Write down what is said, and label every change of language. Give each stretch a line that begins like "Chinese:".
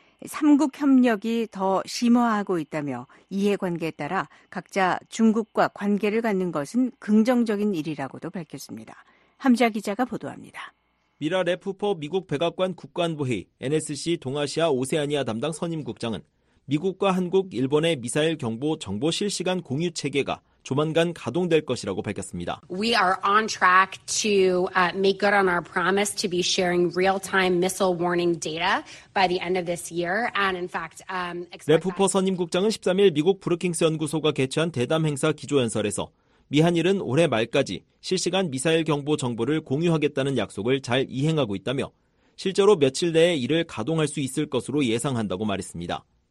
Korean: 3국 협력이 더 심화하고 있다며 이해관계에 따라 각자 중국과 관계를 갖는 것은 긍정적인 일이라고도 밝혔습니다. 함자 기자가 보도합니다. 미라 레프퍼 미국 백악관 국관보위 NSC 동아시아 오세아니아 담당 선임국장은 미국과 한국, 일본의 미사일 경보 정보 실시간 공유 체계가 조만간 가동될 것이라고 밝혔습니다.
English: We are on track to make good on our promise to be sharing real-time missile warning data by the end of this year. And in fact,
Korean: 레프퍼 선임국장은 13일 미국 브루킹스 연구소가 개최한 대담 행사 기조연설에서 미한일은 올해 말까지 실시간 미사일 경보 정보를 공유하겠다는 약속을 잘 이행하고 있다며 실제로 며칠 내에 이를 가동할 수 있을 것으로 예상한다고 말했습니다.